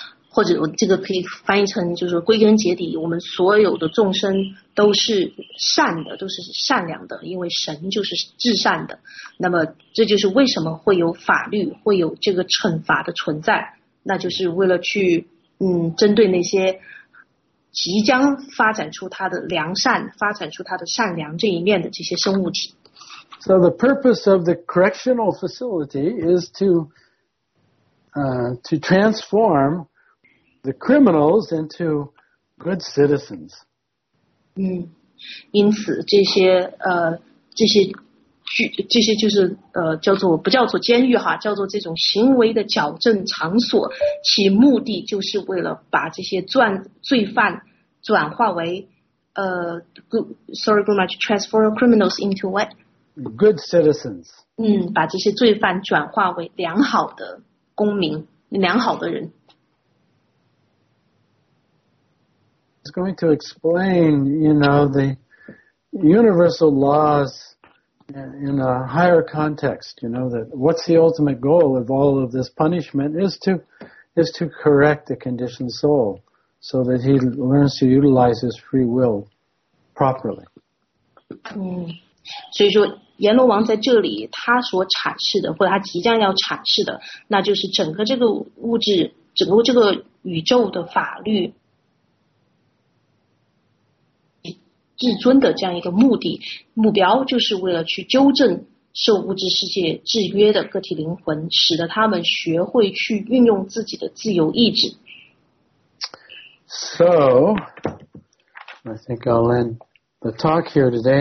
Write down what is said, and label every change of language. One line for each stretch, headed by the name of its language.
Chinese: 或者这个可以翻译成就是归根结底，我们所有的众生都是善的，都是善良的，因为神就是至善的。那么这就是为什么会有法律，会有这个惩罚的存在，那就是为了去针对那些即将发展出它的良善，发展出它的善良这一面的这些生物体。
English: So the purpose of the correctional facility is to transform the criminals into good citizens.
Chinese: 因此这些就是叫做不叫做监狱哈，叫做这种行为的矫正场所，其目的就是为了把这些罪犯转化为
English: transform criminals into what? Good citizens.
Chinese: 把这些罪犯转化为良好的公民，良好的人。
English: It's going to explain, you know, the universal laws in a higher context, you know, that what's the ultimate goal of all of this punishment is to correct the conditioned soul. So that he learns to utilize his free will properly.
Chinese: 所以说阎罗王在这里他所阐释的或者他即将要阐释的，那就是整个这个物质，整个这个宇宙的法律至尊的这样一个目的目标，就是为了去纠正受物质世界制约的个体灵魂，使得他们学会去运用自己的自由意志。
English: So, I think I'll end the talk here today.